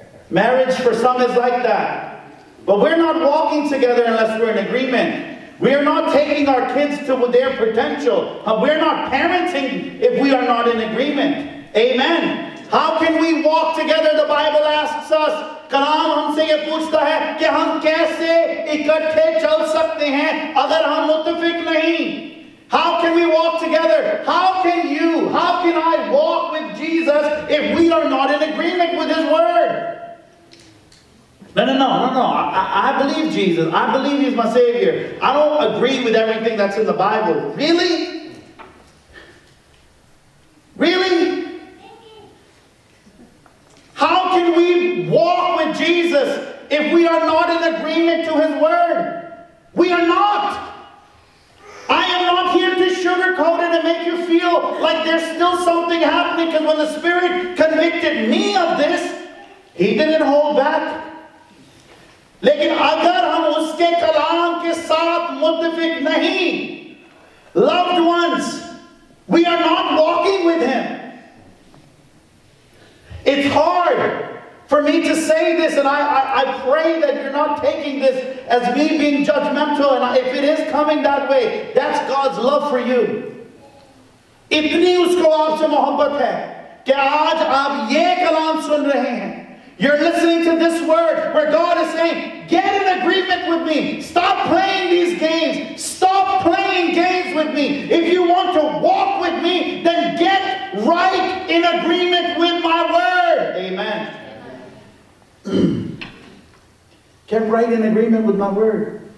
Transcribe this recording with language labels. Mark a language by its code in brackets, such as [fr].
[en] Marriage for some is like that. But we're not walking together unless we're in agreement. We are not taking our kids to their potential. We're not parenting if we are not in agreement. Amen. How can we walk together? The Bible asks us. [hi] कलाम हमसे ये पूछता है कि हम कैसे इकट्ठे चल सकते हैं अगर हम मुत्तफिक नहीं. [en] How can we walk together? How can you? How can I walk with Jesus if we are not in agreement with His Word? No. I believe Jesus. I believe he's my Savior. I don't agree with everything that's in the Bible. Really? How can we walk with Jesus if we are not in agreement to his word? We are not. I am not here to sugarcoat it and make you feel like there's still something happening, because when the Spirit convicted me of this, he didn't hold back. [hi] लेकिन अगर हम उसके कलाम के साथ मुत्तफिक नहीं, [en] loved ones, we are not walking with him. It's hard for me to say this, and I pray that you're not taking this as me being judgmental, and if it is coming that way, that's God's love for you. [hi] इतनी उसको आपसे मोहब्बत है कि आज आप ये कलाम सुन रहे हैं. [en] You're listening to this word where God is saying, get in agreement. connect with me. Stop playing these games. Stop playing games with me. If you want to walk with me, then get right in agreement with my word. Amen. Get right in agreement with my word.